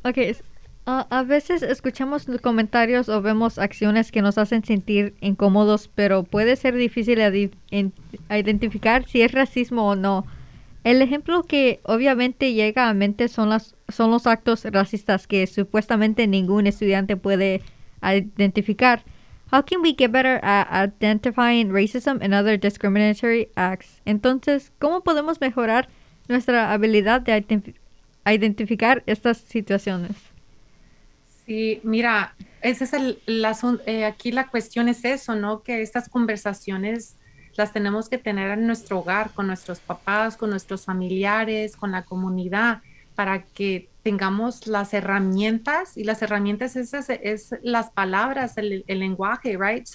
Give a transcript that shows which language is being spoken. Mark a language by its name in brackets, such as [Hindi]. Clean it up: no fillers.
[Spanish] Okay, a veces escuchamos comentarios o vemos acciones que nos hacen sentir incómodos, pero puede ser difícil identificar si es racismo o no. El ejemplo que obviamente llega a mente son los actos racistas que supuestamente ningún estudiante puede identificar. [English] How can we get better at identifying racism and other discriminatory acts? [Spanish] Entonces, ¿cómo podemos mejorar nuestra habilidad de identificar estas situaciones? Sí, mira, ese es aquí la cuestión es eso, ¿no? Que estas conversaciones las tenemos que tener en nuestro hogar, con nuestros papás, con nuestros familiares, con la comunidad, para que tengamos las herramientas, y las herramientas esas es las palabras, el lenguaje, right?